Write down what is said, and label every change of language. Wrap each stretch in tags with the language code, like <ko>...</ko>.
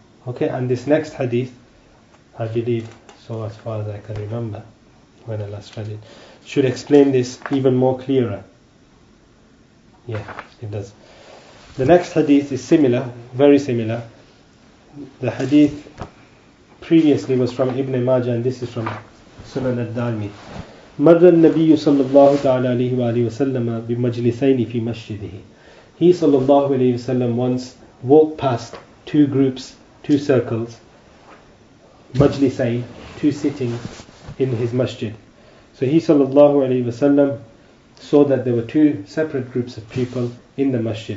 <en>Okay, and this next hadith, I believe, so as far as I can remember when I last read it, should explain this even more clearer. Yeah, it does. The next hadith is similar, very similar. The hadith previously was from Ibn Majah and this is from Sunan ad-Darimi.</en> <ar>مر النبي صلى الله تعالى عليه وآله وسلم بمجلسين في مسجده.</ar> <en>He صلى الله عليه وسلم once walked past two groups, two circles, مجلسين, two sittings in his masjid. So he صلى الله عليه وسلم saw that there were two separate groups of people in the masjid.</en>